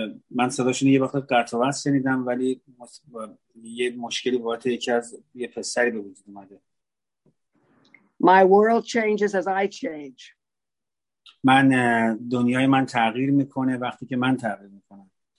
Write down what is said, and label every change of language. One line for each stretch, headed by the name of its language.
Persian: من صداشون یه وقت قرطواز شنیدم ولی یه مشکلی بابت یکی از یه پسری به وجود اومده.
English: My world changes as I change.
Persian: من دنیای من تغییر میکنه وقتی که من تغییر میکنم.